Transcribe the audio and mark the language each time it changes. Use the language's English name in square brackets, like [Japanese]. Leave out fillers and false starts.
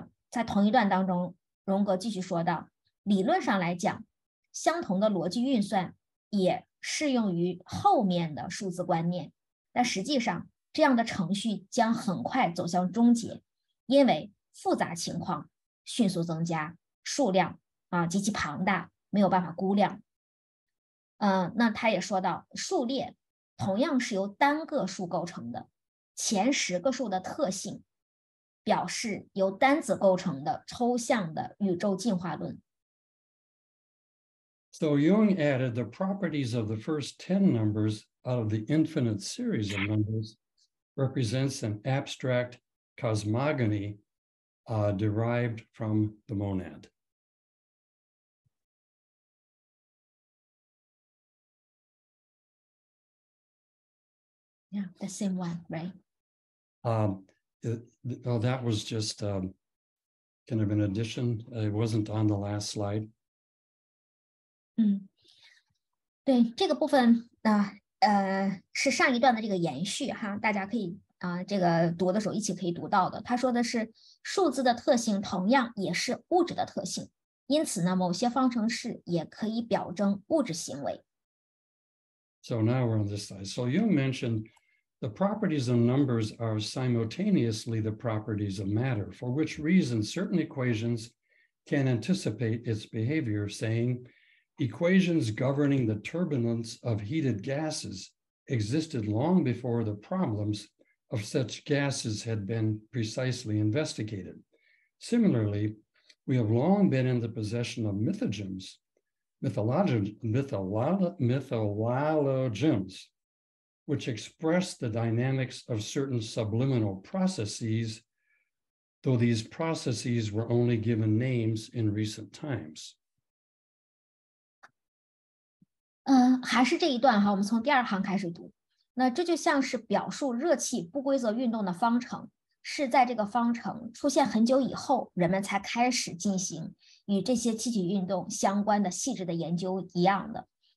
[Chinese] 在同一段当中，荣格继续说道。理论上来讲，相同的逻辑运算也适用于后面的数字观念，但实际上这样的程序将很快走向终结，因为复杂情况迅速增加，数量啊极其庞大，没有办法估量。那他也说到，数列同样是由单个数构成的，前十个数的特性表示由单子构成的抽象的宇宙进化论。 [English] So Jung added the properties of the first 10 numbers out of the infinite series of numbers represents an abstract cosmogony derived from the monad. Yeah, the same one, right? That was just kind of an addition. It wasn't on the last slide. [Chinese] 对这个部分是上一段的这个延续哈，大家可以这个读的时候一起可以读到的。他说的是数字的特性同样也是物质的特性，因此呢某些方程式也可以表征物质行为。 [English] So now we're on this side. So you mentioned the properties of numbers are simultaneously the properties of matter, for which reason certain equations can anticipate its behavior, saying,Equations governing the turbulence of heated gases existed long before the problems of such gases had been precisely investigated. Similarly, we have long been in the possession of mythologems, which express the dynamics of certain subliminal processes, though these processes were only given names in recent times. [Chinese] 还是这一段哈，我们从第二行开始读。那这就像是表述热气不规则运动的方程，是在这个方程出现很久以后，人们才开始进行与这些气体运动相关的细致的研究一样的。